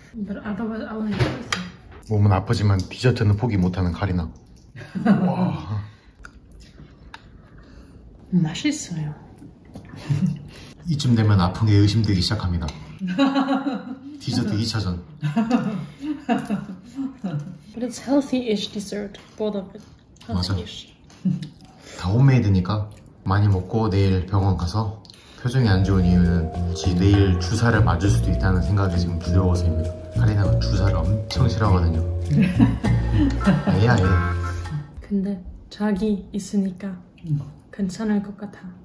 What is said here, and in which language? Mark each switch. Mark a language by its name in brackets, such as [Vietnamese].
[English] But otherwise, I want to eat. [Korean] 몸은 아프지만 디저트는 포기 못하는 카리나. 와. 맛있어요. 이쯤 되면 아픈 게 의심되기 시작합니다. 디저트 2차전. [English] But it's healthy-ish dessert, both of it. [Korean] 맞아. 다 홈메이드니까 많이 먹고 내일 병원 가서 표정이 안 좋은 이유는 지 내일 주사를 맞을 수도 있다는 생각이 지금 두려워서입니다. 카리나가 주사를 엄청 싫어하거든요. 애야 애. 근데 자기 있으니까 괜찮을 것 같아.